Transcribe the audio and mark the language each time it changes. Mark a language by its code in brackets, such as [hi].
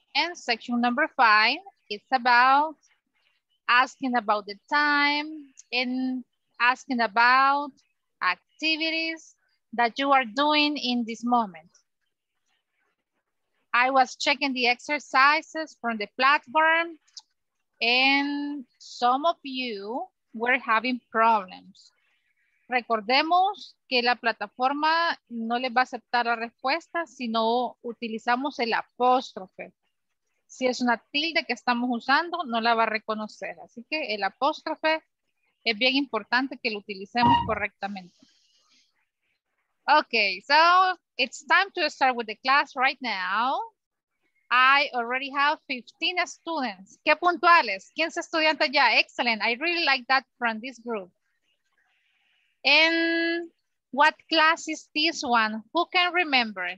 [en] And section number 5 is about asking about the time and asking about activities that you are doing in this moment. I was checking the exercises from the platform and some of you were having problems. [es] Recordemos que la plataforma no les va a aceptar la respuesta si no utilizamos el apóstrofe. Si es una tilde que estamos usando, no la va a reconocer. Así que el apóstrofe es bien importante que lo utilicemos correctamente. [en] Okay, so it's time to start with the class right now. I already have 15 students. [es] ¡Qué puntuales! 15 estudiantes ya. [en] Excellent. I really like that from this group. And what class is this one? Who can remember?